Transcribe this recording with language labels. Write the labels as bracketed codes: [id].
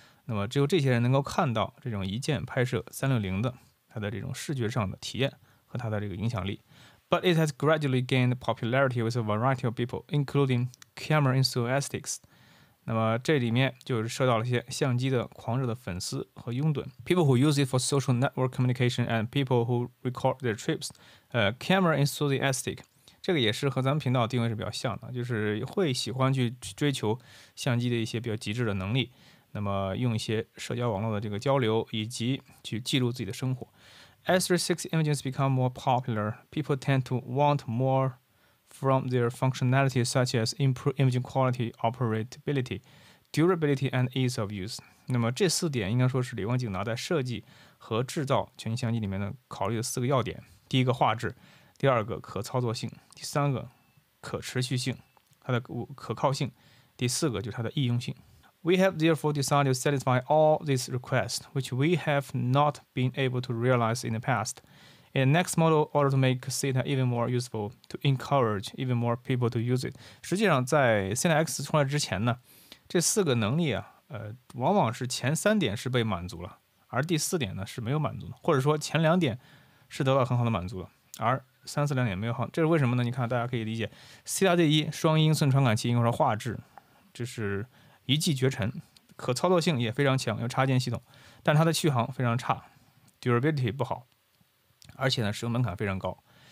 [zh] 那么只有这些人能够看到这种一键拍摄360的它的这种视觉上的体验和它的这个影响力。 [en] But it has gradually gained popularity with a variety of people, including camera enthusiasts. [zh] 那么这里面就是受到了一些相机的狂热的粉丝和拥趸 [en] People who use it for social network communication and people who record their trips camera enthusiastic， [zh] 这个也是和咱们频道定位是比较像的，就是会喜欢去追求相机的一些比较极致的能力，那么用一些社交网络的这个交流以及去记录自己的生活。 [en] As 360 images become more popular, people tend to want moreFrom their functionality such as improved imaging quality, operability, durability, and ease of use. [zh] 那么这四点应该说是李光景拿在设计和制造全息相机里面的考虑的四个要点。第一个画质，第二个可操作性，第三个可持续性，它的可靠性，第四个就是它的易用性。 [en] We have therefore decided to satisfy all these requests, which we have not been able to realize in the past. In the next model, order to make THETA even more useful, to encourage even more people to use it. [zh] 实际上在 THETA X 出来之前呢，这四个能力啊，往往是前三点是被满足了，而第四点呢是没有满足的，或者说前两点是得到很好的满足了，而三四两点没有好，这是为什么呢？你看大家可以理解 THETA Z1 双英寸传感器应该说画质这是一骑绝尘，可操作性也非常强，有插件系统，但它的续航非常差， durability 不好，而且呢使用门槛非常高。